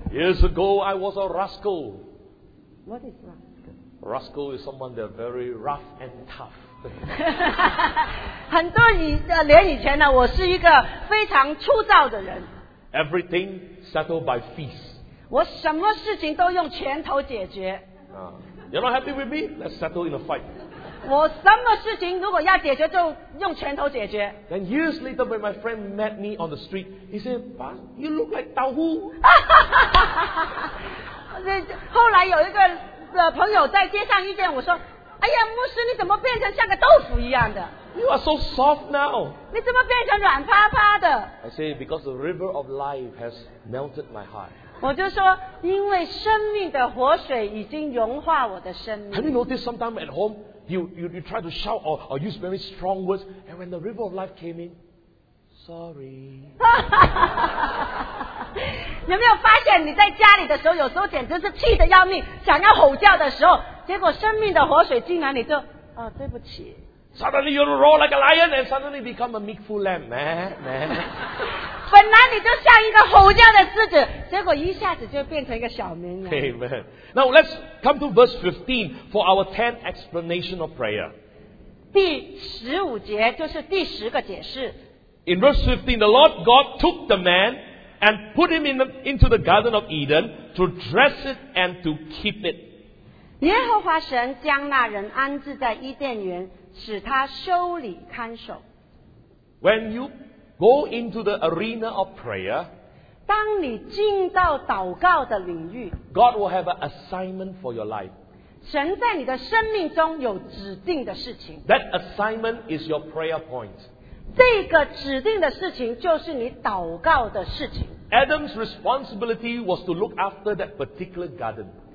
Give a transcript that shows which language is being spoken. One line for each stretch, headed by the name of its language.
English: Years ago, I was a rascal. What is rascal? Rascal is someone that very rough and tough.
Chinese: 很多年以前呢，我是一个非常粗糙的人。
English: Everything settled by fist.
Chinese: 我什么事情都用拳头解决。
English: You're not happy with me? Let's settle in a fight.
Chinese: 我什么事情如果要解决，就用拳头解决。
English: Then years later, when my friend met me on the street, he said, "You look like Tao Hu."
Chinese: 后来有一个朋友在街上遇见我说，哎呀，牧师，你怎么变成像个豆腐一样的？
English: You are so soft now.
Chinese: 你怎么变成软趴趴的？
English: I say, because the river of life has melted my heart.
Chinese: 我就说，因为生命的活水已经融化我的生命。
English: Have you noticed sometimes at home, you try to shout or use very strong words, and when the river of life came in, sorry.
Chinese: 有没有发现你在家里的时候，有时候简直是气得要命，想要吼叫的时候，结果生命的活水进来，你就哦，对不起。
English: Suddenly you roar like a lion and suddenly become a meekful lamb.
Chinese: 本来你就像一个吼叫的狮子，结果一下子就变成一个小绵羊。
English: Amen. Now let's come to verse 15 for our 10th explanation of prayer.
Chinese: 第十五节就是第十个解释。
English: In verse 15, the Lord God took the man and put him into the garden of Eden to dress it and to keep it.
Chinese: 耶和华神将那人安置在伊甸园，使他修理看守。
English: When you go into the arena of prayer,
Chinese: 当你进到祷告的领域，
English: God will have an assignment for your life.
Chinese: 神在你的生命中有指定的事情。
English: That assignment is your prayer point.
Chinese: 这个指定的事情就是你祷告的事情。
English: Adam's responsibility was to look after that particular garden.